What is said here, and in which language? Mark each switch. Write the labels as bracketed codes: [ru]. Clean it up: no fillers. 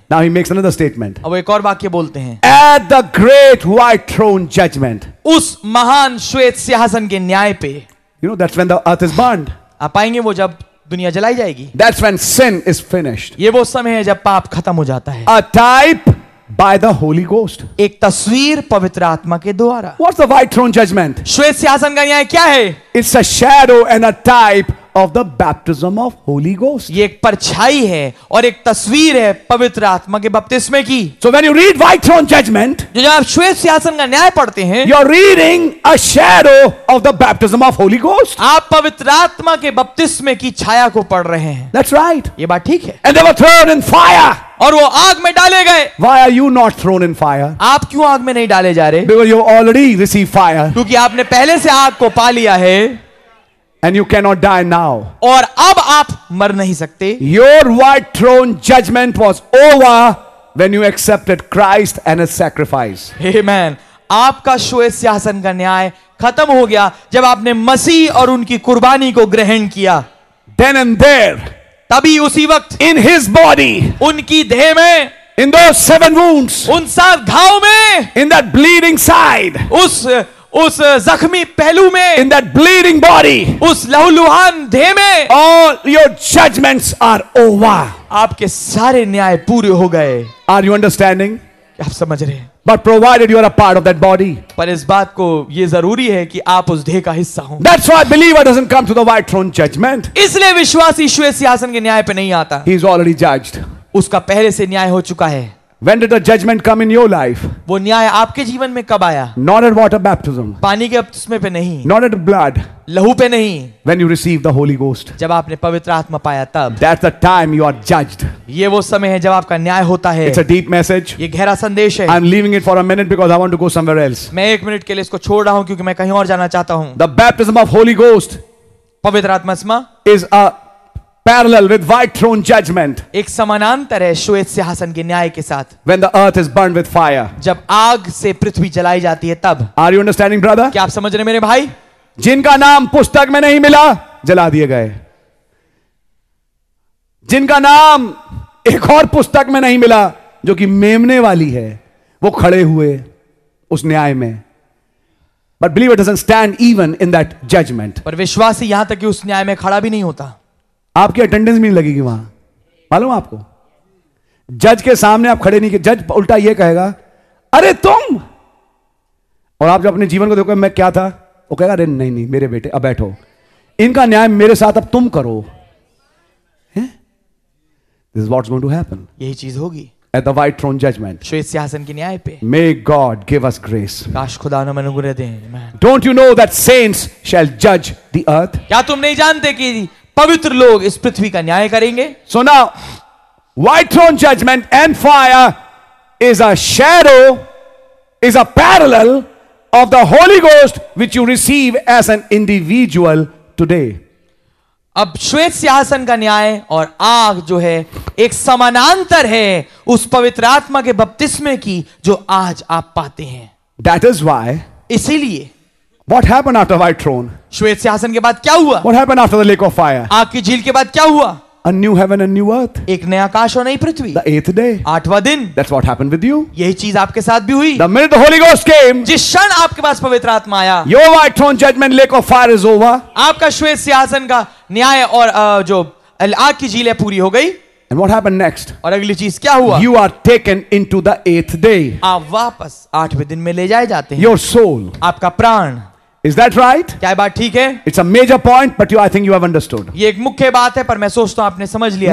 [en] now he makes another statement, [hi] अब एक और वाक्य बोलते हैं, [en] at the great white throne judgment, [hi] उस महान श्वेत सिंहासन के न्याय पे, [en] you know that's when the earth is burned, [hi] आप आएंगे वो जब दुनिया जलाई जाएगी. [en] That's when sin is finished. [hi] ये वो समय है जब पाप खत्म हो जाता है. [en] A type by the Holy Ghost. [hi] एक तस्वीर पवित्र आत्मा के द्वारा. [en] What's the white throne judgment? [hi] श्वेत सिंहासन का न्याय क्या है? [en] It's a shadow and a type of the baptism of Holy Ghost. [hi] ये एक परछाई है और एक तस्वीर है पवित्र आत्मा के बपतिस्मे की. [en] So when you read white throne judgment, [hi] जब आप श्वेत सिंहासन का न्याय पढ़ते हैं, [en] you're reading a shadow of the baptism of Holy Ghost. [hi] आप पवित्र आत्मा के बपतिस्मे की छाया को पढ़ रहे हैं. [en] That's right. [hi] ये बात ठीक है. [en] And they were thrown in fire. [hi] और वो आग में डाले गए. [en] Why are you not thrown in fire? [hi] आप क्यों आग में नहीं डाले जा रहे? [en] Because you already received fire. [hi] क्योंकि आपने पहले से आग को पा लिया है. [en] And you cannot die now. [hi] और अब आप मर नहीं सकते. [en] Your white throne judgment was over when you accepted Christ and his sacrifice. Amen. [hi] आपका श्वेत सिंहासन का न्याय खत्म हो गया जब आपने मसीह और उनकी कुर्बानी को ग्रहण किया. [en] Then and there. [hi] तभी उसी वक्त. [en] In his body. [hi] उनकी देह में. [en] In those seven wounds. [hi] उन सात घावों में. [en] In that bleeding side. [hi] उस जख्मी पहलू में. [en] In that bleeding body. [hi] उस लहूलुहान देह में. [en] All your judgments are over. [hi] आपके सारे न्याय पूरे हो गए. [en] Are you understanding? [hi] आप समझ रहे हैं। [en] But provided you are a part of that body, [hi] पर इस बात को ये जरूरी है कि आप उस देह का हिस्सा हों। [en] That's why believer doesn't come to the white throne judgment. [hi] इसलिए विश्वासी यीशु सिंहासन के न्याय पे नहीं आता। [en] He's already judged. [hi] उसका पहले से न्याय हो चुका है। [en] When did the judgment come in your life? [hi] वो न्याय आपके जीवन में कब आया? [en] Not at water baptism. [hi] पानी के बपतिस्मे पे नहीं। [en] Not at blood. [hi] लहू पे नहीं। [en] When you receive the Holy Ghost. [hi] जब आपने पवित्र आत्मा पाया तब। [en] That's the time you are judged. [hi] ये वो समय है जब आपका न्याय होता है। [en] It's a deep message. [hi] ये गहरा संदेश है। [en] I'm leaving it for a minute because I want to go somewhere else. [hi] मैं एक मिनट के लिए इसको छोड़ रहा हूँ क्योंकि मैं कहीं और जाना चाहता हूँ। [en] The baptism of Holy Ghost. [hi] पवित्र आत्मा [en] is a parallel with white throne judgment. [hi] एक समानांतर है श्वेत सिंहासन के न्याय के साथ. [en] When the earth is burned with fire. [hi] जब आग से पृथ्वी जलाई जाती है तब. [en] Are you understanding, brother? [hi] क्या आप समझ रहे मेरे भाई? जिनका नाम पुस्तक में नहीं मिला जला दिए गए. जिनका नाम एक और पुस्तक में नहीं मिला जो कि मेमने वाली है वो खड़े हुए उस न्याय में. [en] But believer doesn't stand even in that judgment. [hi] पर विश्वासी यहां तक कि उस न्याय में खड़ा भी नहीं होता. आपकी अटेंडेंस भी नहीं लगेगी वहां. मालूम आपको जज के सामने आप खड़े नहीं. जज उल्टा यह कहेगा अरे तुम. और आप जब अपने जीवन को देखोगे मैं क्या था वो कहेगा अरे नहीं नहीं मेरे बेटे अब बैठो इनका न्याय मेरे साथ अब तुम करो. [en] This what's going to happen. [hi] यही चीज होगी. [en] At the white throne judgment. [hi] श्वेत सिंहासन के न्याय पे. [en] May God give us grace. [hi] काश खुदा हमें अनुग्रह दे. [en] Don't you know that saints shall judge the earth? [hi] क्या तुम नहीं जानते कि पवित्र लोग इस पृथ्वी का न्याय करेंगे. [en] So now, white throne judgment and fire is a shadow, is a parallel of the Holy Ghost which you receive as an individual today. [hi] अब श्वेत सिंहासन का न्याय और आग जो है एक समानांतर है उस पवित्र आत्मा के बपतिस्मे की जो आज आप पाते हैं. [en] That is why. [hi] इसीलिए. [en] What happened after white throne? [hi] श्वेत सिंहासन के बाद क्या हुआ? [en] What happened after the lake of fire? [hi] आग की झील के बाद क्या हुआ? [en] A new heaven and new earth. [hi] एक नया आकाश और नई पृथ्वी. [en] The eighth day. [hi] आठवां दिन. [en] That's what happened with you. [hi] यही चीज आपके साथ भी हुई. [en] The minute the Holy Ghost came. [hi] जिस क्षण आपके पास पवित्र आत्मा आया. [en] Your white throne judgment, lake of fire is over. [hi] आपका श्वेत सिंहासन का न्याय और जो आग की झील है पूरी हो गई. [en] And what happened next? [hi] और अगली चीज क्या हुआ? [en] You are taken into the eighth day. [hi] आप वापस आठवें दिन में ले जाए जाते हैं. [en] Your soul. [hi] आपका प्राण. [en] Is that right? [hi] क्या बात ठीक है? [en] It's a major point, but I think you have understood. [hi] ये एक मुख्य बात है, पर मैं सोचता हूँ आपने समझ लिया.